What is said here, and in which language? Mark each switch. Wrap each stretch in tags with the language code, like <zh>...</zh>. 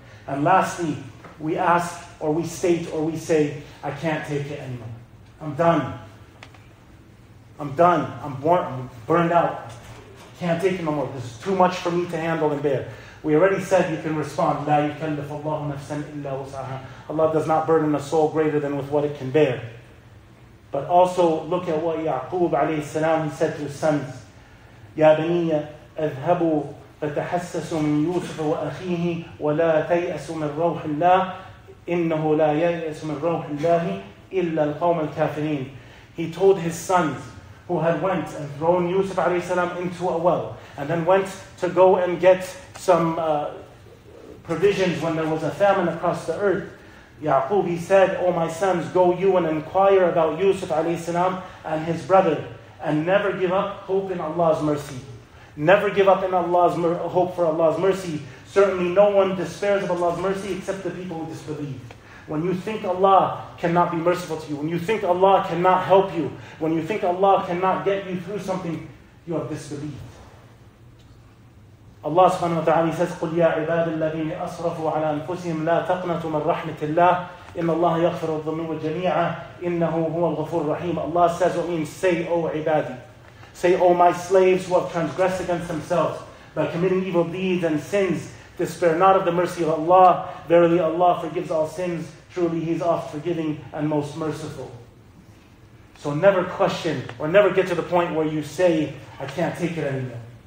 <en>And lastly, we ask or we state or we say, I can't take it anymore. I'm done. I'm done. I'm burned out. Can't take it no more. This is too much for me to handle and bear. We already said you can respond,</en> <ar>لا يكلف الله نفسا إلا وسعها.</ar> <en>Allah does not burden a soul greater than with what it can bear. But also look at what Ya'qub عليه السلام said to his sons,</en> <ar>يا بني أذهبوا فتحسسوا من يوسف وأخيه ولا تيأسوا من روح الله إنه لا ييأس من روح الله إلا القوم الكافرين.</ar> <en>He told his sons who had went and thrown Yusuf عليه السلام into a well and then went to go and get some provisions when there was a famine across the earth. Ya'qub, he said, O my sons, go you and inquire about Yusuf alayhi salam and his brother, and never give up hope in Allah's mercy. Never give up in Allah's hope for Allah's mercy. Certainly no one despairs of Allah's mercy except the people who disbelieve. When you think Allah cannot be merciful to you, when you think Allah cannot help you, when you think Allah cannot get you through something, you have disbelieved. Allah subhanahu wa ta'ala says,</en> <ar>قُلْ يَا عِبَادِ الَّذِينِ أَصْرَفُوا عَلَىٰ أَنفُسِهِمْ لَا تَقْنَتُوا مَنْ رَحْمَةِ اللَّهِ إِنَّ اللَّهَ يَغْفِرُ الذُّنُوبَ جَمِيعًا إِنَّهُ هُوَ الْغَفُورُ الرَّحِيمُ.</ar> <en>Allah says, what means, say, O ibadi, say, O my slaves who have transgressed against themselves by committing evil deeds and sins, despair not of the mercy of Allah. Verily Allah forgives all sins. Truly He is oft forgiving and most merciful. So never question or never get to the point where you say, I can't take it anymore.</en>